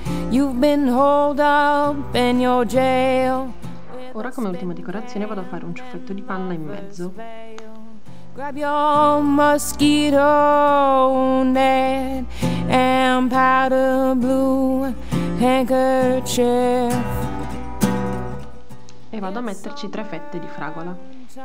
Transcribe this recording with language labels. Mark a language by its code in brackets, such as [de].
[en] You've been holed up in your jail. [it] Ora, come ultima decorazione, vado a fare un ciuffetto di panna in mezzo. [en] Grab your mosquito net and powder blue handkerchief. [it] E vado a metterci tre fette di fragola.